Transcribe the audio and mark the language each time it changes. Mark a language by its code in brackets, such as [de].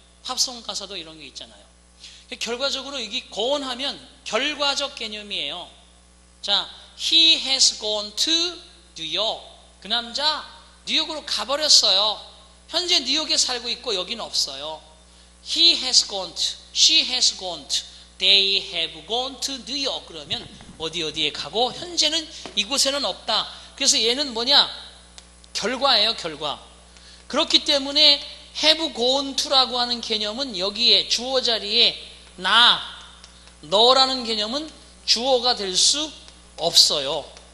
[ko] 팝송 가사도 이런 게 있잖아요. 결과적으로 이게 gone 하면 결과적 개념이에요. [en] 자, He has gone to New York. [ko] 그 남자 뉴욕으로 가버렸어요. 현재 뉴욕에 살고 있고 여기는 없어요. [en] He has gone to, she has gone to, they have gone to New York. [ko] 그러면 어디 어디에 가고 현재는 이곳에는 없다. 그래서 얘는 뭐냐? 결과예요, 결과. 그렇기 때문에 have gone to라고 하는 개념은 여기에 주어 자리에 나, 너라는 개념은 주어가 될 수 없어요.